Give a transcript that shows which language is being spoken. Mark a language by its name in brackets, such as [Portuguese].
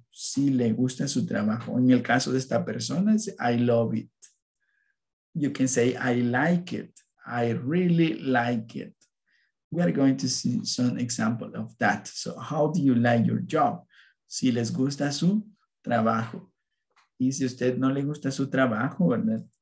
[Spanish] Si le gusta su trabajo. En el caso de esta persona, es [English] I love it. you can say, I like it. I really like it. We are going to see some example of that. So how do you like your job? [Spanish] Si les gusta su trabajo. Y si usted no le gusta su trabajo, ¿verdad?